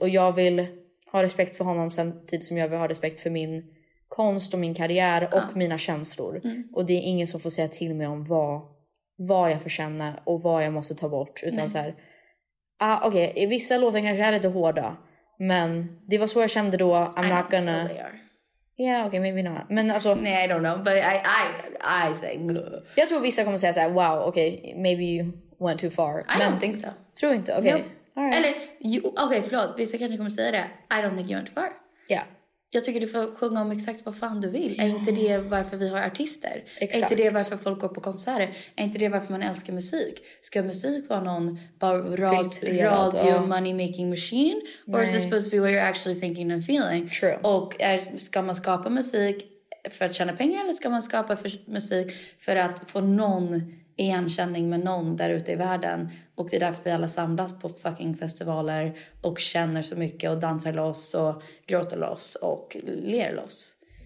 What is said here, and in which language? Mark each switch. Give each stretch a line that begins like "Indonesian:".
Swedish: Och jag vill ha respekt för honom samtidigt som jag vill ha respekt för min konst och min karriär och mina känslor. Mm. Och det är ingen som får säga till mig om vad jag får känna och vad jag måste ta bort. Utan såhär, okej, vissa låtar kanske är lite hårda, men det var så jag kände då.
English: I'm not gonna... Yeah, okay, maybe not.
Swedish: Men alltså,
English: nej, I don't know, but I say good.
Swedish: Jag tror vissa kommer säga så här,
English: wow, okay, maybe you went too far. I don't think so.
Swedish: Tror inte, okay. Nope.
English: All right.
Swedish: Eller, förlåt, vissa kanske kommer säga det.
English: I don't think you went too far. Yeah.
Swedish: Jag tycker du får sjunga om exakt vad fan du vill. Är inte det varför vi har artister? Exakt. Är inte det varför folk går på konserter? Är inte det varför man älskar musik? Ska musik vara någon radio
English: money making machine? Or is it supposed to be what you're actually thinking and feeling? True.
Swedish: Och ska man skapa musik för att tjäna pengar? Eller ska man skapa musik för att få någon igenkänning med någon där ute i världen? Och det är därför vi alla samlas på fucking festivaler och känner så mycket och dansar loss och gråter loss och ler loss.